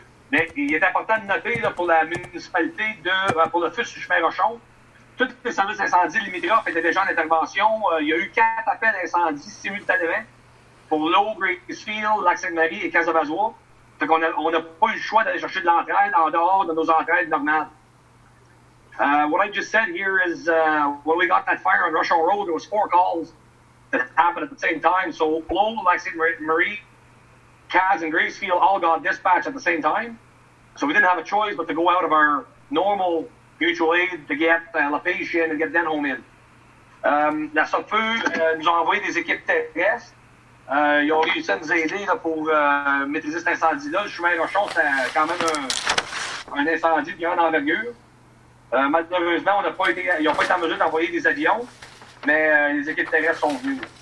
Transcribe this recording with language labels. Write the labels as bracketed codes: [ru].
[fr] Mais il est important de noter là, pour la municipalité, pour le feu sur le chemin Rochon, tous les services d'incendie limitrophes étaient déjà en intervention. Il y a eu 4 appels d'incendie simultanément pour l'eau, Gracefield, Lac-Sainte-Marie et Casabazois. Donc on n'a pas eu le choix d'aller chercher de l'entraide en dehors de nos entraides normales. [en] What I just said here is when we got that fire on Russian Road, there was 4 calls that happened at the same time. So Lowell, Lac-Sainte-Marie, Kaz, and Gracefield all got dispatched at the same time. So we didn't have a choice but to go out of our normal mutual aid to get Lafayette in and get them home in. [fr] La SOPFEU nous a envoyé des équipes terrestres. Ils ont réussi à nous aider là, pour maîtriser cet incendie-là. Le chemin Rochon, c'est quand même un incendie de grande envergure. Malheureusement, ils n'ont pas été en mesure d'envoyer des avions, mais les équipes terrestres sont venues.